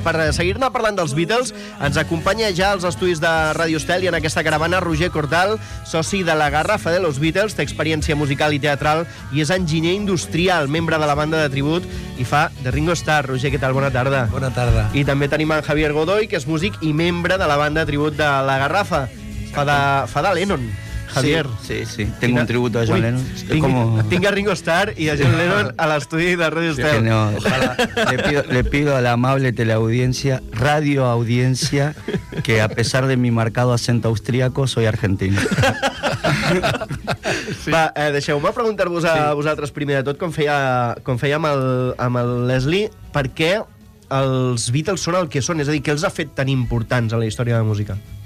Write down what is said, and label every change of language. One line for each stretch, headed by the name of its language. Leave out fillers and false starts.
Catalan: Per seguir-ne parlant dels Beatles, ens acompanya ja als estudis de Ràdio Estel i en aquesta caravana Roger Cortal, soci de la Garrafa de los Beatles, té experiència musical i teatral i és enginyer industrial, membre de la banda de tribut i fa de Ringo Starr. Roger, què tal? Bona tarda. Bona tarda. I també tenim en Javier Godoy, que és músic i membre de la banda de tribut de la Garrafa. Fa de Lennon. Javier. Sí.
Spanish: Tengo un tributo a John Lennon.
Catalan: Tinc a Ringo Starr i a John Lennon a l'estudi de Radio Estel.
Spanish: Sí, no, le pido a la amable teleaudiencia, radio audiencia, que a pesar de mi marcado acento austríaco, soy argentino. Sí.
Catalan: Va, deixeu-me preguntar-vos a vosaltres primer de tot, com feia amb el Leslie, per què els Beatles són el que són? És a dir, què els ha fet tan importants a la història de la música?